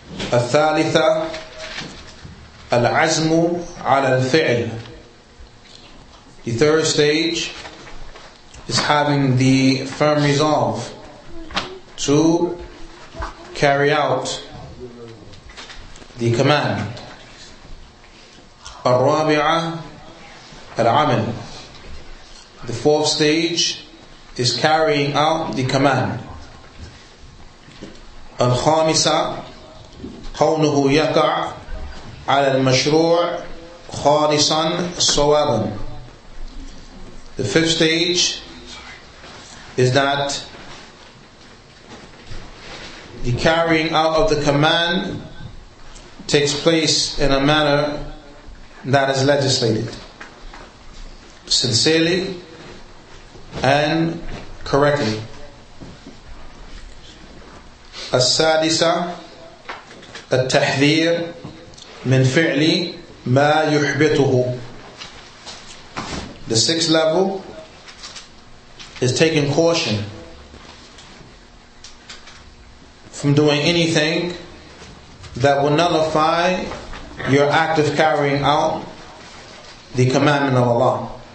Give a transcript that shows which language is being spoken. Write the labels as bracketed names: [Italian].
[Arabic] الثالثة العزم على الفعل. [English] The third stage is having the firm resolve to carry out the commandment. [Arabic] الرابعة العمل. [English] The fourth stage is carrying out the command. [Arabic] الخامسة قوله يقع على المشروع خالصا صوابا. [English] The fifth stage is that the carrying out of the command takes place in a manner that is legislated, sincerely and correctly. [Arabic] السادسة التحذير من فعل ما يحبطه. [English] The sixth level is taking caution from doing anything that will nullify your act of carrying out the commandment of Allah.